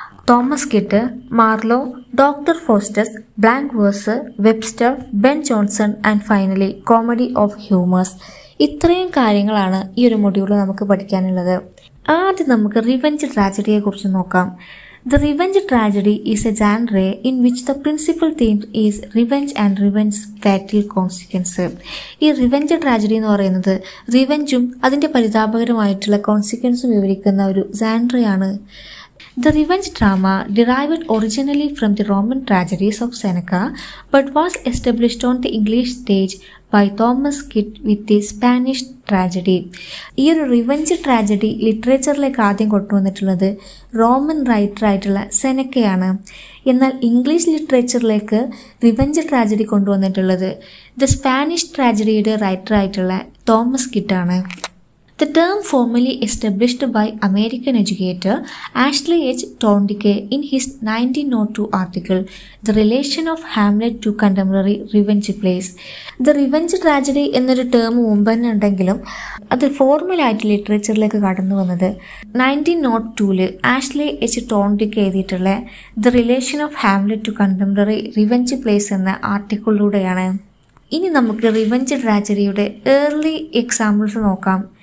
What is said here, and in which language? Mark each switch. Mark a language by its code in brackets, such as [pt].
[en] Thomas Kyd, Marlowe, Doctor Faustus, blank verse, Webster, Ben Jonson and finally comedy of humours. [ml] ഇത്രയും കാര്യങ്ങളാണ് ഈ ഒരു മൊഡ്യൂൾ നമുക്ക് പഠിക്കാനുള്ളത്. ആദ്യം നമുക്ക് റിവെഞ്ച് ട്രാജഡിയെ കുറിച്ച് നോക്കാം. [en] The revenge tragedy is a genre in which the principal theme is revenge and revenge's fatal consequences. [ml] ഈ revenge tragedy എന്ന് പറയുന്നത് revenge-ഉം അതിൻ്റെ പരിതാപകരമായിട്ടുള്ള consequences-ഉം വിവരിക്കുന്ന ഒരു genre ആണ്. [en] The revenge drama derived originally from the Roman tragedies of Seneca but was established on the English stage by Thomas Kitt with the Spanish tragedy. [ml] ഈ ഒരു revenge tragedy ലിറ്ററേച്ചറിലേക്ക് ആദ്യം കൊണ്ടുവന്നിട്ടുള്ളത് റോമൻ റൈറ്റർ ആയിട്ടുള്ള സെനക്കയാണ്. എന്നാൽ ഇംഗ്ലീഷ് ലിറ്ററേച്ചറിലേക്ക് റിവെഞ്ച് ട്രാജഡി കൊണ്ടുവന്നിട്ടുള്ളത് the Spanish ട്രാജഡിയുടെ writer ആയിട്ടുള്ള Thomas kit ആണ്. [en] The term formally established by American educator Ashley H. Tondike in his 1902 article, The Relation of Hamlet to Contemporary Revenge Plays. [ml] The revenge tragedy എന്നൊരു term മുമ്പ് തന്നെ ഉണ്ടെങ്കിലും അത് ഫോർമലായിട്ട് ലിറ്ററേച്ചറിലേക്ക് കടന്നു വന്നത് 1902 ആഷ്ലേ എച്ച് ടോണ്ടിക്ക് എഴുതിയിട്ടുള്ള the relation of Hamlet to contemporary revenge place എന്ന ആർട്ടിക്കിളിലൂടെയാണ്. ഇനി നമുക്ക് റിവെഞ്ച് ട്രാജഡിയുടെ ഏർലി എക്സാമ്പിൾസ് നോക്കാം.